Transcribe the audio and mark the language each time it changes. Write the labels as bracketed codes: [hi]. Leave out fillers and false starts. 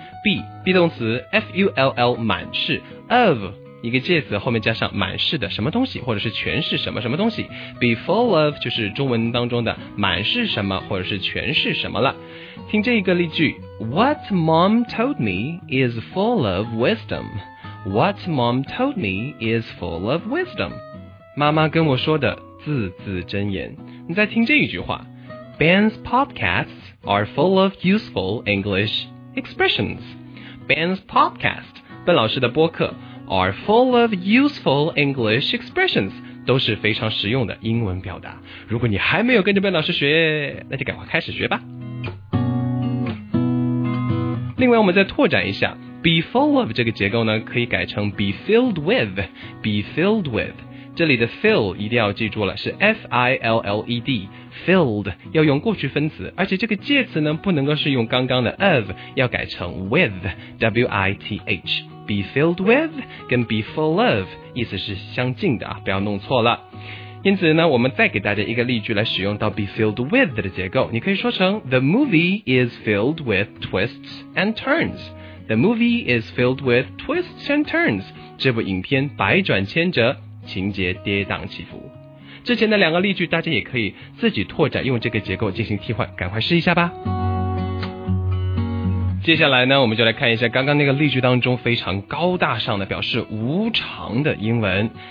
[zh] be 动词 full 满是 of 一个介词后面加上满是的什么东西，或者是全是什么什么东西。 be full of 就是中文当中的满是什么或者是全是什么了。听这一个例句， [en] What mom told me is full of wisdom. What mom told me is full of wisdom. [zh] 妈妈跟我说的字字真言。你再听这一句话， [en] Ben's podcasts are full of useful English expressions. Ben's podcast, [zh] 笨老师的播客 [en] are full of useful English expressions. [zh] 都是非常实用的英文表达。如果你还没有跟着笨老师学，那就赶快开始学吧。另外我们再拓展一下， be full of 这个结构呢，可以改成 be filled with, be filled with。这里的 fill 一定要记住了，是 F-I-L-L-E-D filled 要用过去分词，而且这个介词呢不能够是用刚刚的 of, 要改成 with, W-I-T-H。 Be filled with 跟 be full of 意思是相近的，不要弄错了。因此呢，我们再给大家一个例句来使用到 be filled with 的结构，你可以说成 [en] The movie is filled with twists and turns. The movie is filled with twists and turns. [zh] 这部影片百转千折，情节跌宕起伏。之前的两个例句大家也可以自己拓展用这个结构进行替换，赶快试一下吧。接下来呢，我们就来看一下刚刚那个例句当中非常高大上的表示无常的英文。